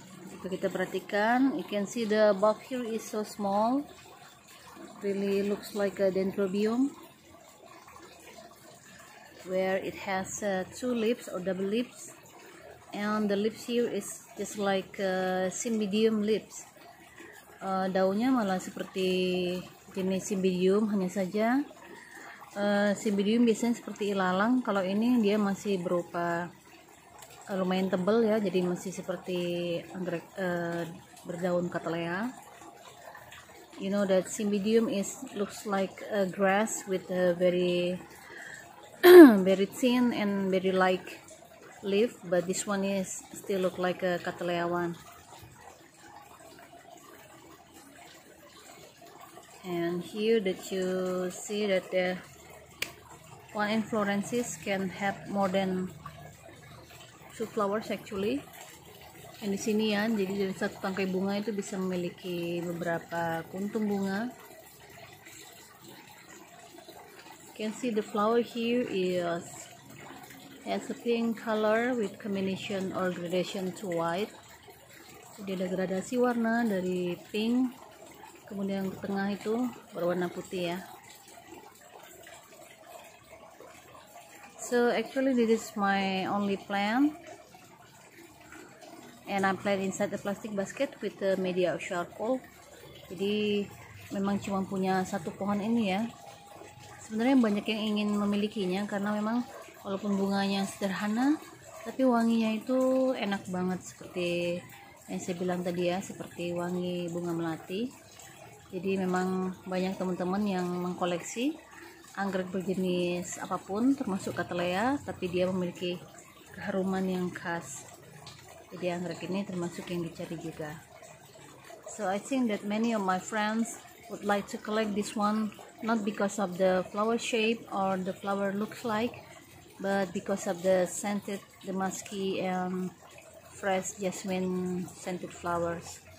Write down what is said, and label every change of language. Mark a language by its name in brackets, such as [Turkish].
[Indonesian] Jika kita perhatikan, [English] you can see the bulb here is so small, really looks like a dendrobium, where it has two leaves or double leaves, and the leaves here is just like cymbidium leaves. [Indonesian] Daunnya malah seperti jenis cymbidium, hanya saja cymbidium biasanya seperti ilalang, kalau ini dia masih berupa lumayan tebal ya, jadi masih seperti anggrek berdaun Ctna. [English] You know that cymbidium is looks like a grass with a very very thin and very like leaf, but this one is still look like a Ctna one. And here that you see that the one inflorescence can have more than two flowers actually. [Indonesian] And di sini ya, jadi dari satu tangkai bunga itu bisa memiliki beberapa kuntum bunga. [English] Can see the flower here is has a pink color with combination or gradation to white. [Indonesian] Jadi ada gradasi warna dari pink, kemudian yang tengah itu berwarna putih ya. [English] So actually this is my only plant, and I plant inside the plastic basket with the media of charcoal. [Indonesian] Jadi memang cuma punya satu pohon ini ya. Sebenarnya banyak yang ingin memilikinya karena memang walaupun bunganya sederhana, tapi wanginya itu enak banget seperti yang saya bilang tadi ya, seperti wangi bunga melati. Jadi memang banyak teman-teman yang mengkoleksi anggrek berjenis apapun termasuk Ctna, tapi dia memiliki keharuman yang khas. Jadi anggrek ini termasuk yang dicari juga. [English] So I think that many of my friends would like to collect this one, not because of the flower shape or the flower looks like, but because of the scented, the musky and fresh jasmine scented flowers.